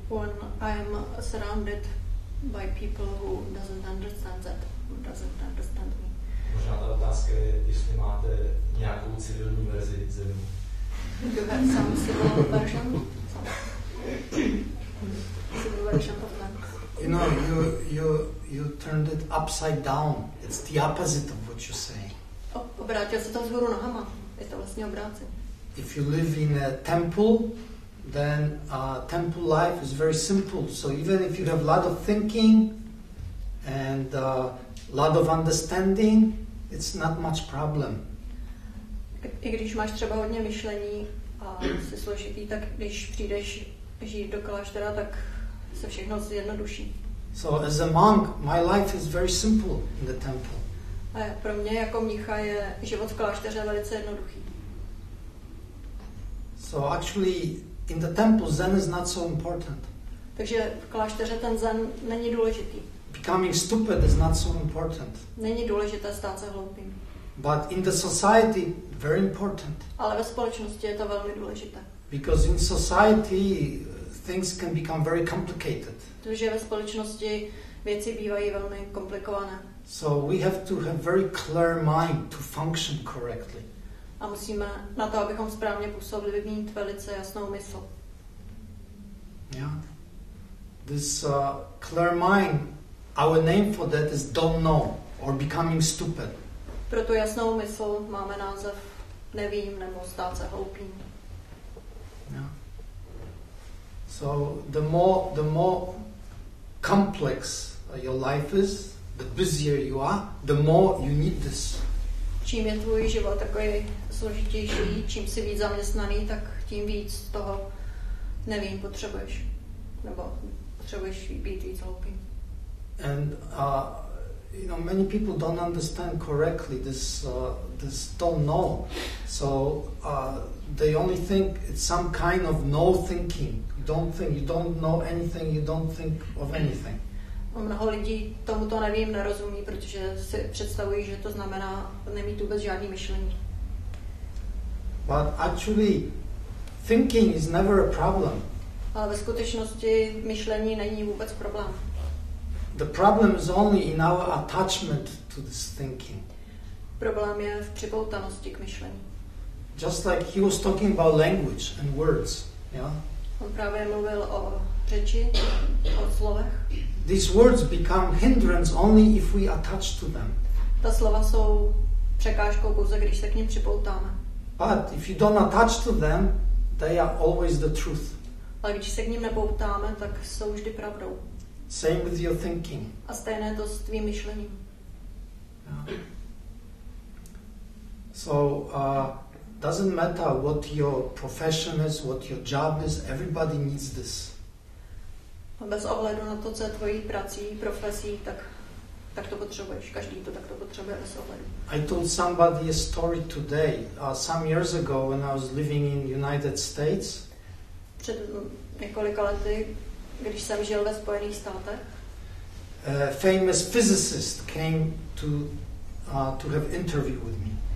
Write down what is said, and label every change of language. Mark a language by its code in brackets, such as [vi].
[en] When I'm surrounded by people who doesn't understand that, who doesn't understand me. [cs] Možná ta otázka je, jestli máte nějakou civilní verzi Zenu. [en] You have some civil version? Some civil version of that. You know, you turned it upside down. It's the opposite of what you're saying. [cs] Obrátil se to vzhůru nohama. Je to vlastně obrácen. [en] If you live in a temple, then temple life is very simple. So even if you have a lot of thinking and a lot of understanding, it's not much problem. [cs] I když máš třeba hodně myšlení a jsi složitý, tak když přijdeš žít do kláštera, tak se všechno zjednoduší. [en] So as a monk, my life is very simple in the temple. [cs] A pro mě jako mnicha je život v klášteře velice jednoduchý. [en] So actually in the temple Zen is not so important. [cs] Takže v klášteře ten Zen není důležitý. [en] Becoming stupid is not so important. [cs] Není důležité stát se hloupým. [en] But in the society very important. [cs] Ale ve společnosti je to velmi důležité. [en] Because in society things can become very complicated. [cs] Protože ve společnosti věci bývají velmi komplikované. [en] So we have to have very clear mind to function correctly. [cs] A musíme na to, abychom správně působili, mít velice jasnou mysl. [en] Yeah. This clear mind, our name for that is don't know or becoming stupid. [cs] Proto jasnou mysl máme název nevím nebo stát se hloupým. [en] So the more complex your life is, the busier you are, the more you need this. [cs] Čím je tvůj život takový složitější, čím jsi víc zaměstnaný, tak tím víc toho nevím potřebuješ, nebo potřebuješ být víc hloupý. [en] And you know, many people don't understand correctly this don't know. So they only think it's some kind of no thinking. Don't think, you don't know anything, you don't think of anything. [cs] Mnoho lidí tomu to nevím, nerozumí, protože si představují, že to znamená nemít vůbec žádný myšlení. [en] But actually, thinking is never a problem. [cs] Ale ve skutečnosti myšlení není vůbec problém. [en] The problem is only in our attachment to this thinking. [cs] Problém je v připoutanosti k myšlení. [en] Just like he was talking about language and words, yeah? [cs] On právě mluvil o řeči, o slovech. [en] These words become hindrance only if we attach to them. [cs] Ta slova jsou překážkou pouze, když se k ním připoutáme. [en] But if you don't attach to them, they are always the truth. [cs] Ale když se k ním nepoutáme, tak jsou vždy pravdou. [en] Same with your thinking. [cs] A stejné to s tvým myšlením. [en] Yeah. So, doesn't matter what your profession is, what your job is, everybody needs this. [cs] Bez ohledu na to, co je tvojí prací, profesí, tak to potřebuješ. Každý to takto potřebuje bez ohledu. [en] I told somebody a story today, some years ago when I was living in United States. [cs] Před několika lety, když jsem žil ve Spojených státech. [en] A famous physicist came to have interview with me.